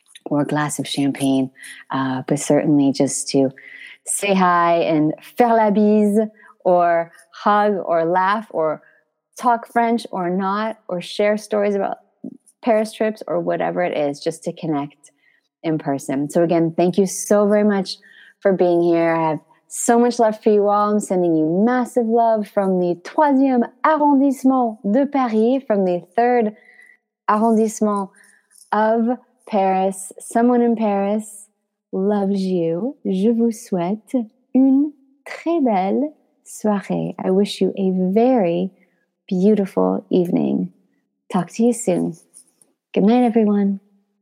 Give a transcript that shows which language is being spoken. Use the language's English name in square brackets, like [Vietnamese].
[English] or a glass of champagne, but certainly just to say hi and [French] faire la bise [English] or hug or laugh or talk French or not, or share stories about Paris trips or whatever it is, just to connect in person. So again, thank you so very much for being here. I have so much love for you all. I'm sending you massive love from the 3rd arrondissement de Paris, from the 3rd arrondissement of Paris. Someone in Paris loves you. [French] Je vous souhaite une très belle soirée. [English] I wish you a very beautiful evening. Talk to you soon. Good night, everyone.